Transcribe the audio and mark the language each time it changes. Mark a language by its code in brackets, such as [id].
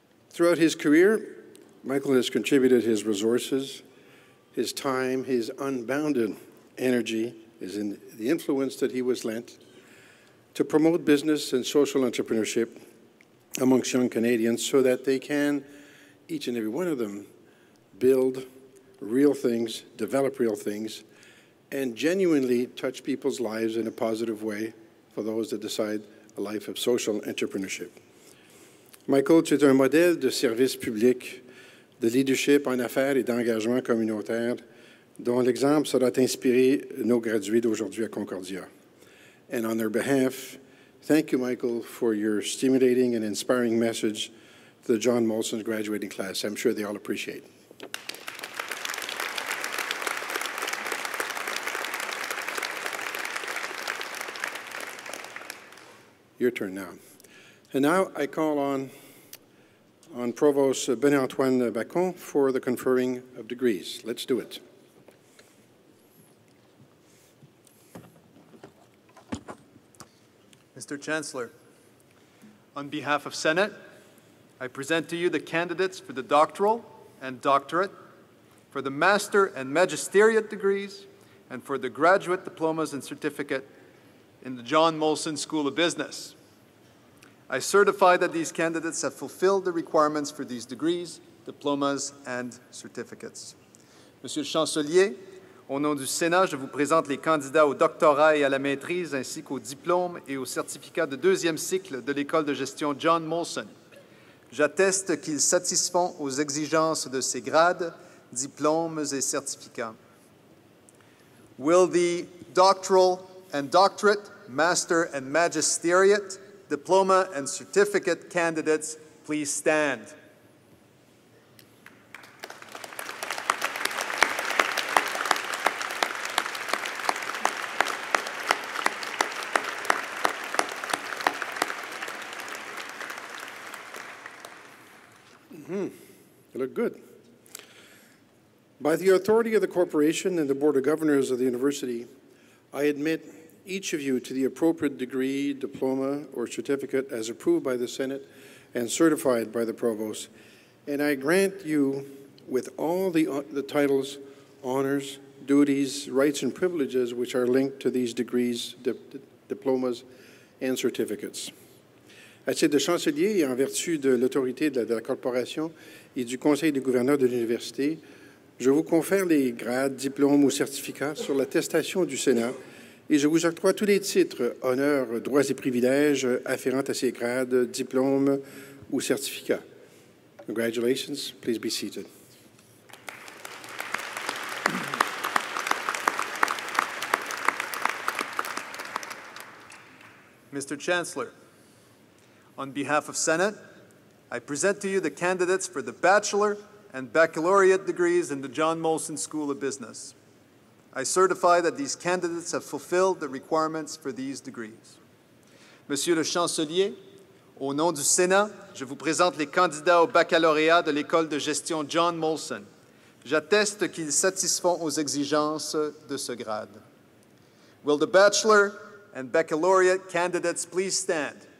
[en] Throughout his career, Michael has contributed his resources, his time, his unbounded energy, is in the influence that he was lent to promote business and social entrepreneurship amongst young Canadians so that they can, each and every one of them, build real things, develop real things, and genuinely touch people's lives in a positive way for those that decide a life of social entrepreneurship. [fr] Michael, tu es un modèle de service public, de leadership en affaires et d'engagement communautaire, dont l'exemple sera d'inspirer nos graduates d'aujourd'hui à Concordia. [en] And on their behalf, thank you, Michael, for your stimulating and inspiring message to the John-Molson graduating class. I'm sure they all appreciate. Your turn now. And now I call on Provost Benoît-Antoine Bacon for the conferring of degrees. Let's do it. Mr. Chancellor, on behalf of Senate, I present to you the candidates for the doctoral and doctorate, for the master and magisteriate degrees, and for the graduate diplomas and certificate in the John Molson School of Business. I certify that these candidates have fulfilled the requirements for these degrees, diplomas, and certificates. [fr] Monsieur le Chancelier, au nom du Sénat, je vous présente les candidats au doctorat et à la maîtrise, ainsi qu'au diplôme et au certificat de deuxième cycle de l'École de gestion John Molson. J'atteste qu'ils satisfont aux exigences de ces grades, diplômes et certificats. [en] Will the doctoral and doctorate, master and magisteriate, diploma and certificate candidates please stand? You look good. By the authority of the corporation and the Board of Governors of the University, I admit each of you to the appropriate degree, diploma, or certificate as approved by the Senate and certified by the Provost, and I grant you with all the titles, honors, duties, rights, and privileges which are linked to these degrees, diplomas, and certificates. [fr] À titre de chancelier et en vertu de l'autorité de la corporation et du conseil des gouverneurs de l'université, je vous confère les grades, diplômes ou certificats sur l'attestation du Sénat et je vous octroie tous les titres, honneurs, droits et privilèges afférents à ces grades, diplômes ou certificats. [en] Congratulations. Please be seated. Mr. Chancellor, on behalf of Senate, I present to you the candidates for the bachelor and baccalaureate degrees in the John Molson School of Business. I certify that these candidates have fulfilled the requirements for these degrees. [fr] Monsieur le Chancelier, Au nom du Sénat, je vous présente les candidats au baccalauréat de l'École de gestion John-Molson. J'atteste qu'ils satisfont aux exigences de ce grade. [en] Will the bachelor and baccalaureate candidates please stand?